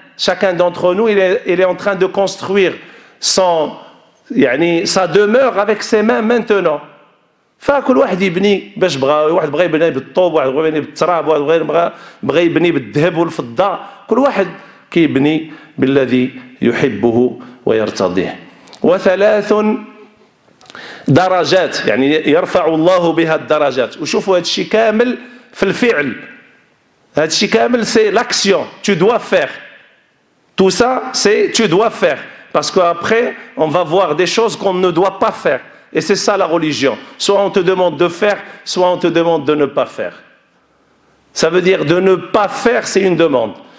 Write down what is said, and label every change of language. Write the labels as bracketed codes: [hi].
[fr] Chacun d'entre nous, il est en train de construire sa demeure avec ses mains maintenant. [ar] فكل واحد يبني باش بغى، واحد بغى يبني بالطوب، واحد بغى يبني بالتراب، واحد بغى يبني بالذهب والفضة. كل واحد كيبني بالذي يحبه ويرتضيه. وثلاث درجات، يعني يرفع الله بها الدرجات. وشوفوا هذا الشيء كامل في الفعل، هذا الشيء كامل [fr] سي لاكسيون، tu dois faire. Tout ça, c'est tu dois faire. Parce qu'après, on va voir des choses qu'on ne doit pas faire. Et c'est ça la religion. Soit on te demande de faire, soit on te demande de ne pas faire. Ça veut dire de ne pas faire, c'est une demande.